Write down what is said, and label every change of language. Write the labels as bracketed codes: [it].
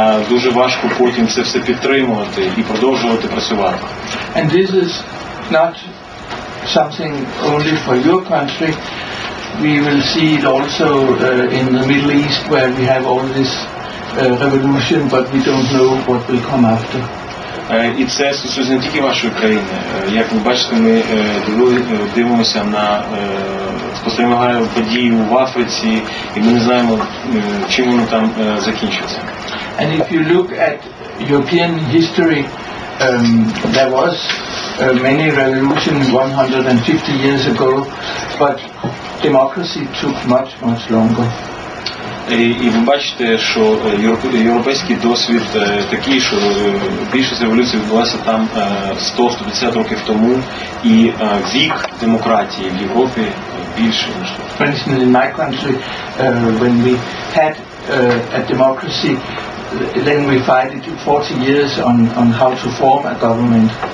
[uk] Дуже важко потім це все підтримувати і продовжувати працювати. [en] And this is not something only for your country. We will see it also in the Middle East where we have all this revolution, but we don't know what will come after. [uk] І це стосується не тільки вашої країни. Як ви бачите, ми дивимося на спостерігаємо події в Африці, і ми не знаємо, чим воно там закінчиться. [en] And if you look at European history, there was many revolutions 150 years ago, but democracy took much, much longer. [uk] І ви бачите, що європейський досвід такий, що більшість революцій відбулася там 100-150 років тому, і вік демократії в Європі більше, ніж тут. [en] For instance, in my country, when we had a democracy, then we fought 40 years on how to form a government.